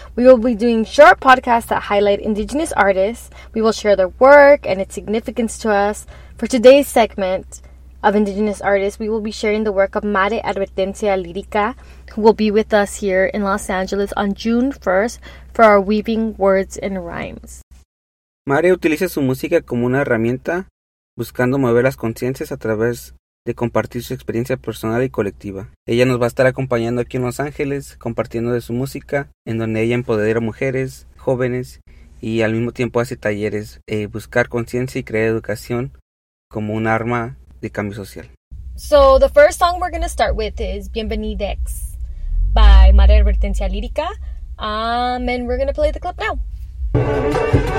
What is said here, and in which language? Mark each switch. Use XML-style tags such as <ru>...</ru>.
<en>We will be doing short podcasts that highlight Indigenous artists. We will share their work and its significance to us. For today's segment of Indigenous artists, we will be sharing the work of Mare Advertencia Lirica, who will be with us here in Los Angeles on June 1st for our Weaving Words and Rhymes.</en> <es>Mare utiliza su música como una herramienta buscando mover las conciencias a través de compartir su experiencia personal y colectiva. Ella nos va a estar acompañando aquí en Los Ángeles, compartiendo de su música, en donde ella empodera mujeres, jóvenes, y al mismo tiempo hace talleres, buscar conciencia y crear educación como un arma de cambio social.</es> <en>So, the first song we're going to start with is Bienvenidex by Mare Advertencia Lirica. And we're going to play the clip now.</en>